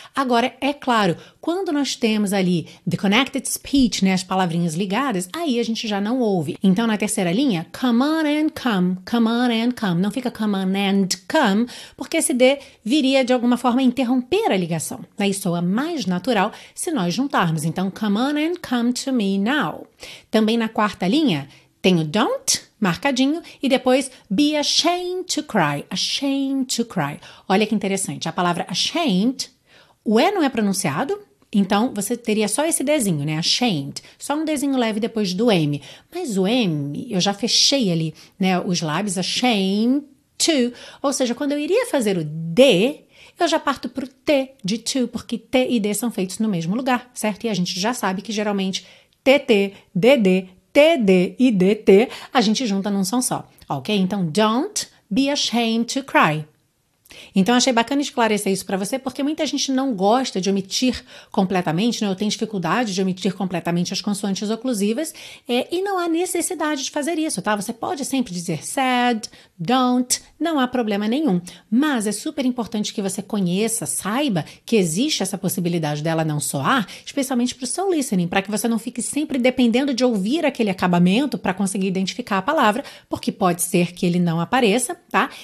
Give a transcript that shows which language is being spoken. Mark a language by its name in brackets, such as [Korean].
[Portuguese] Agora, é claro, quando nós temos ali [English] the connected speech, [Portuguese] né, as palavrinhas ligadas, aí a gente já não ouve. Então, na terceira linha, [English] come on and come, [Portuguese] não fica come on and come, porque esse D viria de alguma forma a interromper a ligação, né? E soa mais natural se nós juntarmos. [English] Então, come on and come to me now. [Portuguese] Também na quarta linha, tem o don't, marcadinho, e depois [English] be ashamed to cry, [Portuguese] ashamed to cry. Olha que interessante, a palavra ashamed, o E não é pronunciado, então você teria só esse Dzinho, né, ashamed, só um Dzinho leve depois do M, mas o M, eu já fechei ali, né, os lábios, [English] ashamed to, [Portuguese] ou seja, quando eu iria fazer o D, eu já parto pro T de to, porque T e D são feitos no mesmo lugar, certo? E a gente já sabe que geralmente TT, DD, TD e DT, a gente junta num som só, ok? [English] Então, don't be ashamed to cry. [Portuguese] Então, achei bacana esclarecer isso para você, porque muita gente não gosta de omitir completamente, né? Ou tem dificuldade de omitir completamente as consoantes oclusivas, e não há necessidade de fazer isso, tá? Você pode sempre dizer [English] sad, don't, [Portuguese] não há problema nenhum. Mas é super importante que você conheça, saiba que existe essa possibilidade dela não soar, especialmente para o seu listening, para que você não fique sempre dependendo de ouvir aquele acabamento para conseguir identificar a palavra, porque pode ser que ele não apareça, tá?